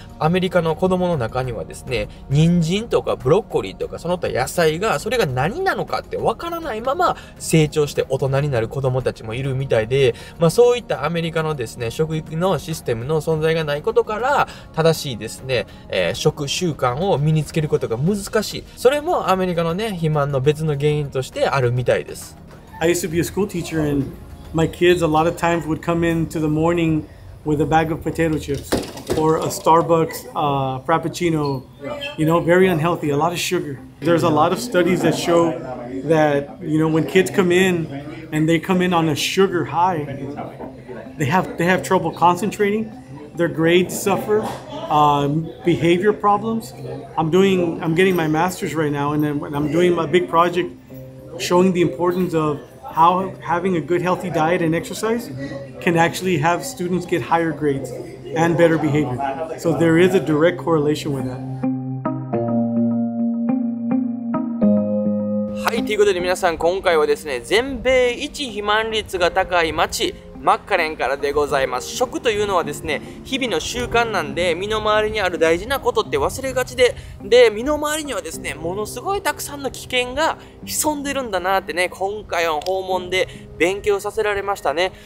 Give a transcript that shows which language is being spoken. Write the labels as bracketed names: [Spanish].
[Japanese] アメリカの子供の中にはですね、人参とかブロッコリーとかその他野菜が、それが何なのかってわからないまま成長して大人になる子供たちもいるみたいで、まあ、そういったアメリカのですね、食育のシステムの存在がないことから、正しいですね、食習慣を身につけることが難しい。それもアメリカのね、肥満の別の原因としてあるみたいです。 [English] I used to be a school teacher and my kids a lot of times would come into the morning with a bag of potato chips or a Starbucks frappuccino, you know, very unhealthy, a lot of sugar. There's a lot of studies that show that, you know, when kids come in and they come in on a sugar high, they have trouble concentrating. Their grades suffer, behavior problems. I'm getting my master's right now, and then I'm doing a big project showing the importance of how having a good healthy diet and exercise can actually have students get higher grades and better behavior. So there is a direct correlation with that. [Japanese] はい、ということで皆さん今回はですね、全米一肥満率が高い町マッカレンからでございます。食というのはですね、日々の習慣なんで、身の回りにある大事なことって忘れがちで、で、身の回りにはですね、ものすごいたくさんの危険が潜んでるんだなってね、今回は訪問で勉強させられましたね。